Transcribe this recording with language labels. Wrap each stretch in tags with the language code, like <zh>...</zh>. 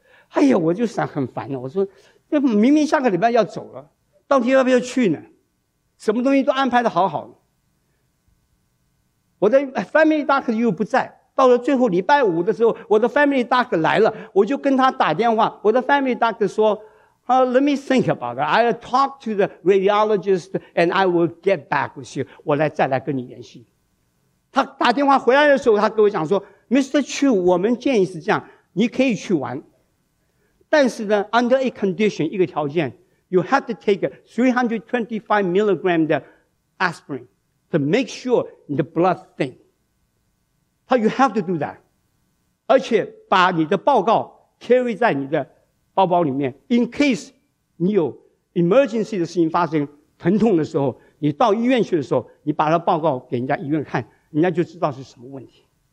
<zh>哎呀，我就想很烦了，我说明明下个礼拜要走了，到底要不要去呢？什么东西都安排得好好的，我的 family doctor 又不在。到了最后礼拜五的时候，我的 family doctor 来了，我就跟他打电话，我的 family doctor 说</zh> <en>Let me think about it. I'll talk to the radiologist and I will get back with you.</en> <zh>我来再来跟你联系。他打电话回来的时候，他跟我讲说 Mr. Chu， 我们建议是这样，你可以去玩，但是呢</zh> <en>under a condition，</en> <zh>一个条件，</zh> <en>you have to take 325 milligram</en> <zh>的 aspirin</zh> <en>to make sure the blood thin。</en> <zh>他</zh> <en>you have to do that，</en> <zh>而且把你的报告 carry 在你的包包里面，</zh> <en>in case</en> <zh>你有 emergency 的事情发生，疼痛的时候，你到医院去的时候，你把它报告给人家医院看，人家就知道是什么问题。</zh>